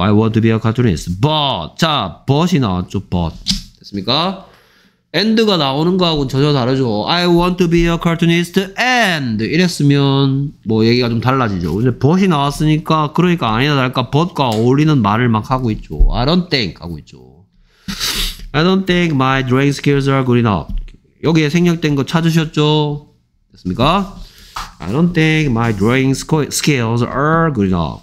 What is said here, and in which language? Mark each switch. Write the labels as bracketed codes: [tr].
[en] I want to be a cartoonist. But [ko] 자, but이 나왔죠. But 됐습니까? and가 나오는 거하고는 전혀 다르죠. [en] I want to be a cartoonist and [ko] 이랬으면 뭐 얘기가 좀 달라지죠. 근데 but이 나왔으니까 그러니까 아니나 다를까 but과 어울리는 말을 막 하고 있죠. [en] I don't think [ko] 하고 있죠. [en] I don't think my drawing skills are good enough. [ko] 여기에 생략된 거 찾으셨죠? 됐습니까? [en] I don't think my drawing skills are good enough.